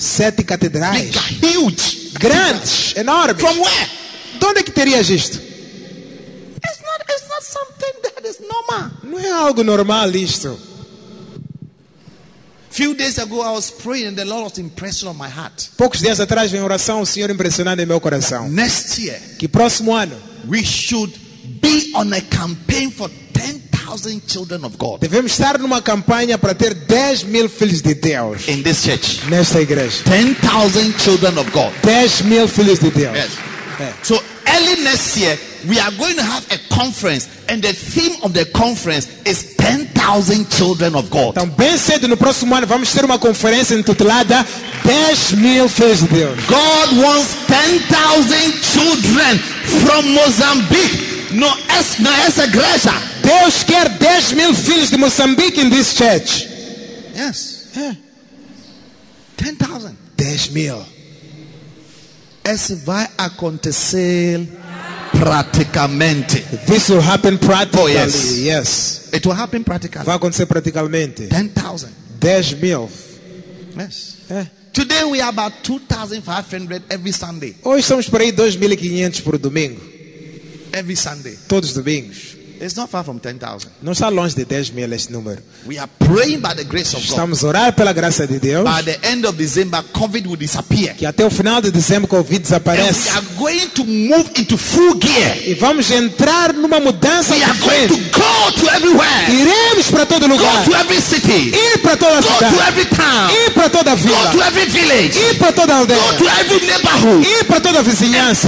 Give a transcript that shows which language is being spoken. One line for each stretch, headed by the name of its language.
Portuguese: 7 catedrais,
English: huge,
Portuguese: grandes, enormes.
English: From where?
Portuguese: De onde é que terias isto?
English: It's not something that is normal.
Portuguese: Não é algo normal isto.
English: Few days ago I was praying and the Lord was impressing on my heart.
Portuguese: Poucos dias atrás vem oração, o Senhor impressionando em meu coração.
English: That next year,
Portuguese: que próximo ano,
English: we should be on a campaign for 10,000 children of God.
Portuguese: Devemos estar numa campanha para ter 10 mil filhos de Deus.
English: In this church.
Portuguese: Nesta igreja.
English: 10,000 children of God.
Portuguese: 10 mil filhos de Deus.
English: Yes.
Portuguese: É.
English: So early next year, we are going to have a conference, and the theme of the conference is 10,000 children of God.
Portuguese: Então, bem cedo no próximo ano, vamos ter uma conferência intitulada 10 mil filhos de Deus.
English: God wants 10,000 children from Mozambique,
Portuguese: na essa igreja. Deus quer 10 mil filhos de Moçambique
English: in this church. Yes.
Portuguese: É.
English: 10,000.
Portuguese: 10 mil. Isso vai acontecer praticamente.
English: This will happen practically. Oh, yes. Yes. It will happen practically.
Portuguese: Vai acontecer praticamente.
English: 10,000.
Portuguese: 10 mil.
English: Yes.
Portuguese: É.
English: Today we are about 2,500 every Sunday.
Portuguese: Hoje estamos por aí 2,500 por domingo.
English: Every Sunday.
Portuguese: Todos domingos.
English: It's not far from 10,000.
Portuguese: Não está longe de 10 mil esse número.
English: We are praying by the grace of God.
Portuguese: Estamos orar pela graça de Deus.
English: By the end of December, COVID will disappear.
Portuguese: Que até o final de dezembro COVID desaparece.
English: And we are going to move into full gear.
Portuguese: E vamos entrar numa mudança.
English: We are going to go to everywhere.
Portuguese: Iremos para todo lugar.
English: Go to every city.
Portuguese: Ir para toda a cidade.
English: Go to every town.
Portuguese: Ir para toda a vila.
English: Go to every village.
Portuguese: Ir para toda a aldeia.
English: Go to every neighborhood.
Portuguese: Ir para toda a vizinhança.